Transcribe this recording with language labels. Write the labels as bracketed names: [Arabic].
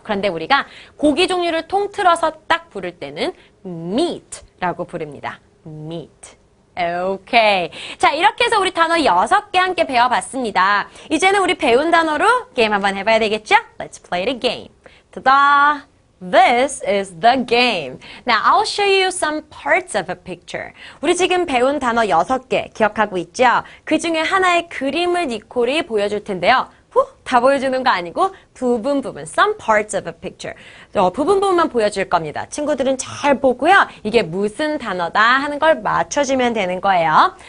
[Korean] 그런데 우리가 고기 종류를 통틀어서 딱 부를 때는 meat라고 부릅니다. meat. 오케이. 자, 이렇게 해서 우리 단어 6개 함께 배워봤습니다. 이제는 우리 배운 단어로 게임 한번 해봐야 되겠죠? [English] Let's play the game. Ta-da! This is the game. Now, I'll show you some parts of a picture. [Korean] 우리 지금 배운 단어 6개 기억하고 있죠? 그 중에 하나의 그림을 니콜이 보여줄 텐데요. 후, 다 보여주는 거 아니고 부분 부분, [English] some parts of a picture. [Korean] 부분 부분만 보여줄 겁니다. 친구들은 잘 보고요. 이게 무슨 단어다 하는 걸 맞춰주면 되는 거예요.